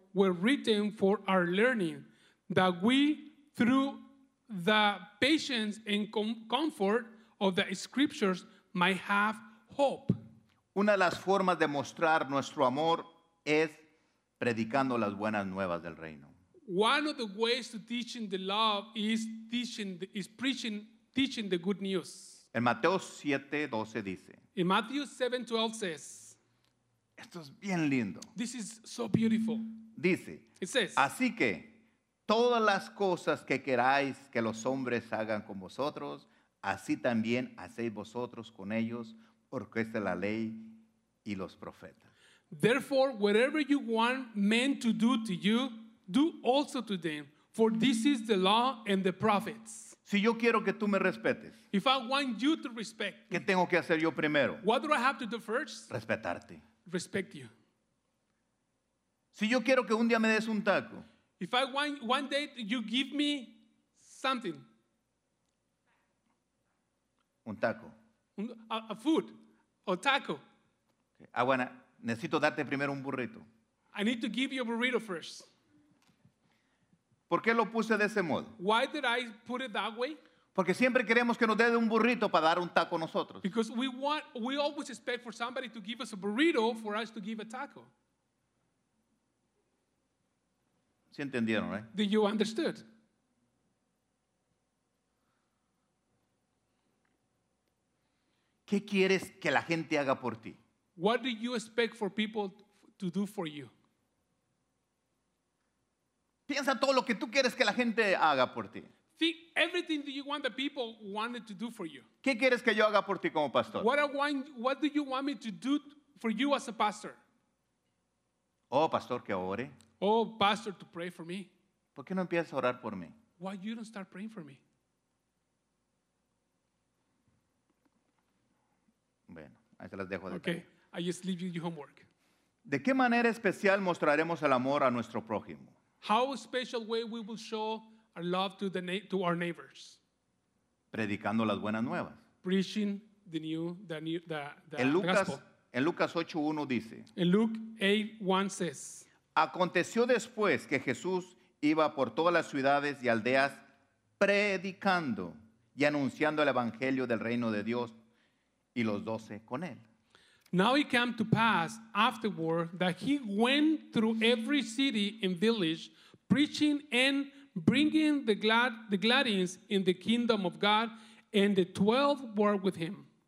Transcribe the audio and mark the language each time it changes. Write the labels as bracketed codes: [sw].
[en] Were written for our learning, that we, through the patience and comfort of the scriptures, might have hope. [es] Una de las formas de mostrar nuestro amor es predicando las buenas nuevas del reino. [en] One of the ways to teaching the love is preaching the good news. [es] En Mateo 7:12 dice. [en] In Matthew 7:12 says. [es] Esto es bien lindo. [en] This is so beautiful. [es] Dice, [en] it says, [es] así que todas las cosas que queráis que los hombres hagan con vosotros, así también hacéis vosotros con ellos, porque esta es la ley y los profetas. [en] Therefore, whatever you want men to do to you, do also to them, for this is the law and the prophets. [es] Si yo quiero que tú me respetes, [en] if I want you to respect, [es] ¿qué tengo que hacer yo primero? [en] What do I have to do first? [es] Respetarte. [en] Respect you. [es] Si yo quiero que un día me des un taco. [en] If I want one day you give me something. [es] Un taco. [en] A food. A taco. [es] Okay. Ah, bueno, necesito darte primero un burrito. [en] I need to give you a burrito first. [es] ¿Por qué lo puse de ese modo? [en] Why did I put it that way? [es] Porque siempre queremos que nos dé un burrito para dar un taco nosotros. [en] Because we always expect for somebody to give us a burrito for us to give a taco. [es] ¿Sí entendieron, right? [en] Do you understood? [es] ¿Qué quieres que la gente haga por ti? [en] What do you expect for people to do for you? [es] Piensa todo lo que tú quieres que la gente haga por ti. [en] Think everything that you want the people wanted to do for you. [es] ¿Qué quieres que yo haga por ti como pastor? [en] What do you want me to do for you as a pastor? [es] Oh, pastor, que ore. [en] Oh, pastor, to pray for me. [es] ¿Por qué no empiezas a orar por mí? [en] Why you don't start praying for me? [es] Bueno, ahí se las dejo. [en] Okay, I just leave you your homework. [es] ¿De qué manera especial mostraremos el amor a nuestro prójimo? [en] How special way we will show our love to the to our neighbors? [es] Predicando las buenas nuevas. [en] Preaching the gospel. [es] En Lucas 8:1 dice. [en] In Luke 8:1 says. [es] Aconteció después que Jesús iba por todas las ciudades y aldeas predicando y anunciando el evangelio del reino de Dios y los doce con él. [en] Now it came to pass afterward that he went through every city and village, preaching and bringing the glad tidings in the kingdom of God, and the 12 were with him.